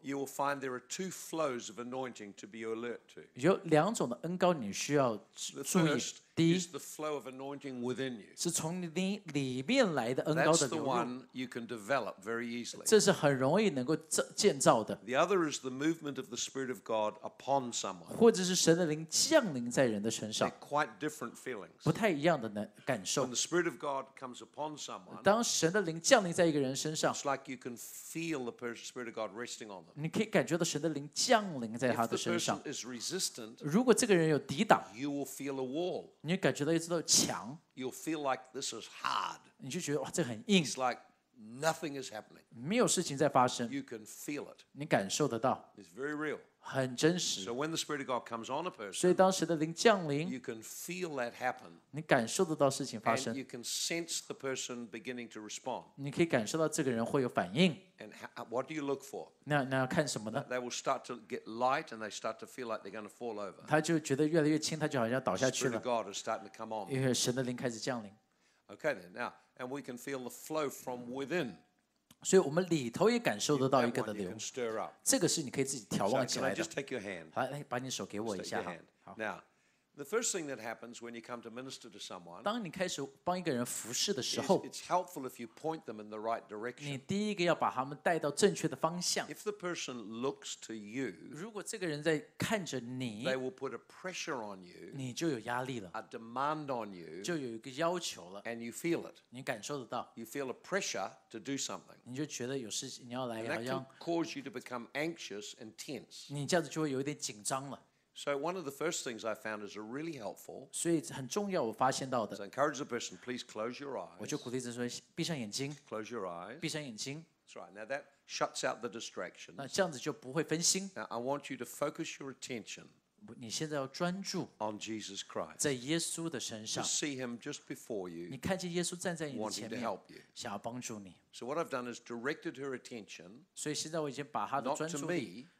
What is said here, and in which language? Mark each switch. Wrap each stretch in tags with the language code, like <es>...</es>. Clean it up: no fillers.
<en>，you will find there are two flows of anointing to be alert to.</en> <zh>有两种的恩膏你需要注意。第一</zh> <en>is the flow of anointing within you.</en> <zh>是从你里面来的恩膏的流入。</zh> <en>That's the one you can develop very easily.</en> <zh>这是很容易能够建造的。</zh> <en>The other is the movement of the Spirit of God upon someone.</en> <zh>或者是神的灵降临在人的身上。</zh> <en>They're quite different feelings.</en> <zh>不太一样的感受。</zh> <en>When the Spirit of God comes upon someone,</en> <zh>当神的灵降临在一个人身上</zh> <en>，it's like you can feel the Spirit of God resting on them.</en> <zh>你可以感觉到神的灵降临在他的身上。</zh> <en>If the person is resistant,</en> <zh>如果这个人有抵挡</zh> <en>，you will feel a wall.</en> <zh>你感觉到一直都有墙</zh> <en>，You'll feel like this is hard.</en> <zh>你就觉得哇，这很硬。</zh> <en>It's like Nothing is happening.</en> <zh>没有事情在发生。</zh> <en>You can feel it.</en> <zh>你感受得到。</zh> <en>It's very real.</en> <zh>很真实。</zh> <en>So when the Spirit of God comes on a person,</en> <zh>所以当时的灵降临。</zh> <en>You can feel that happen.</en> <zh>你感受得到事情发生。</zh> <en>And you can sense the person beginning to respond.</en> <zh>你可以感受到这个人会有反应。</zh> <en>And what do you look for?</en> <zh>那要看什么呢？</zh> <en>They will start to get light, and they start to feel like they're going to fall over.</en> <zh>他就觉得越来越轻，他就好像要倒下去了。</zh> <en>Spirit of God is starting to come on.</en> <zh>因为神的灵开始降临。</zh> <en>Okay, then now. And we can feel the flow from within.</en> <zh>所以我们里头也感受得到一个的流。</zh> <en>Stir up.</en> <zh>这个是你可以自己眺望起来的。</zh> <en>Can I just take your hand?</en> <zh>好，来把你手给我一下。</zh> <en>Take your hand. Now, the first thing that happens when you come to minister to someone.</en> <zh>当你开始帮一个人服事的时候。</zh> <en>It's helpful if you point them in the right direction.</en> <zh>你第一个要把他们带到正确的方向。</zh> <en>If the person looks to you.</en> <zh>如果这个人在看着你。</zh> <en>They will put a pressure on you.</en> <zh>你就有压力了。</zh> <en>A demand on you.</en> <zh>就有一个要求了。</zh> <en>And you feel it.</en> <zh>你感受得到。</zh> <en>You feel a pressure to do something.</en> <zh>你就觉得有事情你要来好像。</zh> <en>And that can cause you to become anxious and tense.</en> <zh>你这样子就会有点紧张了。</zh> <en>So one of the first things I found is really helpful.</en> <zh>所以很重要，我发现到的。</zh> <en>So encourage the person, please close your eyes.</en> <zh>我就鼓励着说，闭上眼睛。</zh> <en>Close your eyes.</en> <zh>闭上眼睛。</zh> <en>That's right. Now that shuts out the distractions.</en> <zh>那这样子就不会分心。</zh> <en>Now I want you to focus your attention.</en> <zh>你现在要专注。</zh> <en>On Jesus Christ.</en> <zh>在耶稣的身上。</zh> <en>You see him just before you.</en> <zh>你看见耶稣站在你的前面。</zh> <en>Wanting to help you.</en> <zh>想要帮助你。</zh> <en>So what I've done is directed her attention.</en> <zh>所以现在我已经把她的专注力。</zh>